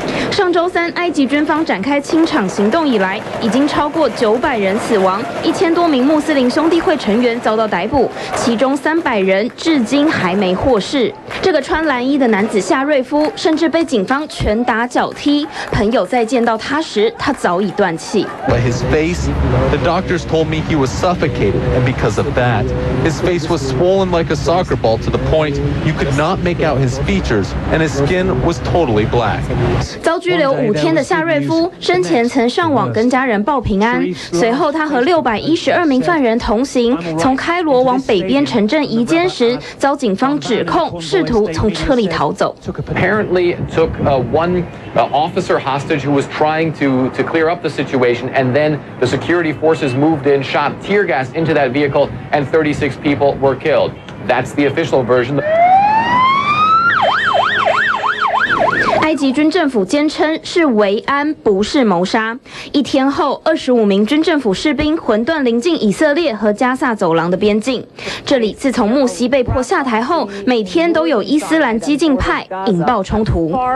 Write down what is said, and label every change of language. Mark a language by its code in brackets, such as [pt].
[zh] 上周三埃及军方展开清场行动以来，已经超过900人死亡，1000多名穆斯林兄弟会成员遭到逮捕，其中300人至今还没获释。这个穿蓝衣的男子夏瑞夫甚至被警方拳打脚踢，朋友在见到他时他早已断气。 [en] By his face, the doctors told me he was suffocated, and because of that his face was swollen like a soccer ball to the point you could not make out his features and his skin was totally black。 [zh] 遭拘留5天的夏瑞夫生前曾上网跟家人报平安，随后他和612名犯人同行，从开罗往北边城镇移监时遭警方指控试图从车里逃走。 [en] Apparently took one officer hostage who was trying to clear up the situation, and then the security forces moved in, shot tear gas into that vehicle, and 36 people were killed. That's the official version. [zh] 埃及军政府坚称是维安不是谋杀。一天后，25名军政府士兵魂断临近以色列和加萨走廊的边境，这里自从穆西被迫下台后，每天都有伊斯兰激进派引爆冲突。